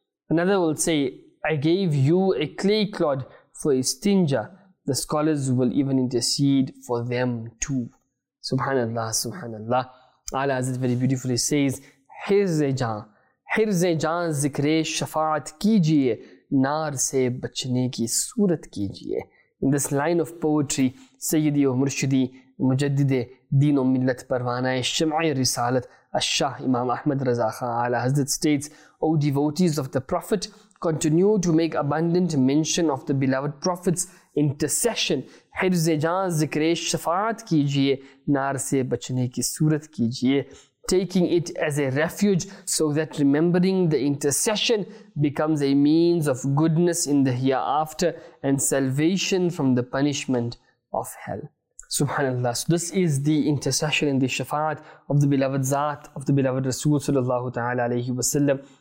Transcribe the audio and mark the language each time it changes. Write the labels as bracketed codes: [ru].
[en] Another will say, I gave you a clay clod for istinja. The scholars will even intercede for them too. Subhanallah, subhanallah. Allah Azad very beautifully says, [ur] Hirze jaan zikre shafaat kijiye. نار سے بچنے کی صورت کیجئے. [en] In this line of poetry, سیدی و مرشدی مجدد دین و ملت پروانہ شمع رسالت الشاہ امام احمد رضا خان اعلی حضرت states, O devotees of the Prophet, continue to make abundant mention of the beloved Prophet's intercession. [ur] حرز جان ذکر شفاعت کیجئے, نار سے بچنے کی صورت کیجئے. [en] Taking it as a refuge so that remembering the intercession becomes a means of goodness in the hereafter and salvation from the punishment of hell. Subhanallah. So this is the intercession and the shafa'at of the beloved Zaat, of the beloved Rasul sallallahu ta'ala alayhi wa sallam.